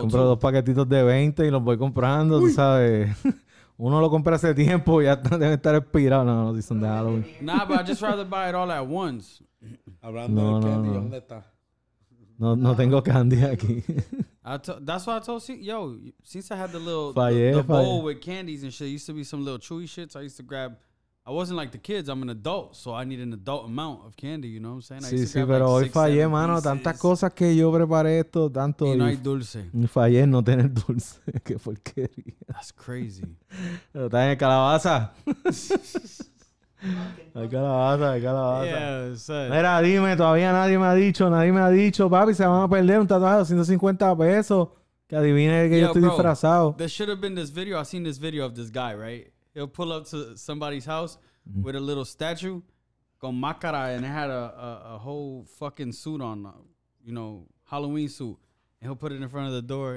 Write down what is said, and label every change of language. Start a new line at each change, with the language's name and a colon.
Spanish: Compro dos paquetitos de 20 y los voy comprando, tú sabes. Uno lo compra hace tiempo y ya debe estar expirado. No, si son de Halloween.
English: Nah, but I just rather buy it all at once.
Spanish: Hablando de candy, ¿dónde está? No tengo candy aquí.
English: That's what I told you. Yo, since I had the little the bowl with candies and shit, used to be some little chewy shit. So I used to grab, I wasn't like the kids, I'm an adult. So I need an adult amount of candy, you know what I'm saying?
Spanish: Pero like hoy fallé, mano. Tantas cosas que yo preparé esto, tanto. Y no hay dulce. Fallé en no tener dulce. Qué porquería.
English: That's crazy.
Spanish: Pero está en calabaza. Hay calabaza.
English: Yeah,
Spanish: mira, dime, todavía nadie me ha dicho, papi, se van a perder un tatuaje de $250. Que adivine que yo estoy disfrazado.
English: There should have been this video. I've seen this video of this guy, right? He'll pull up to somebody's house with a little statue.
Spanish: con máscara
English: and had a whole fucking suit on, you know, Halloween suit. And he'll put it in front of the door.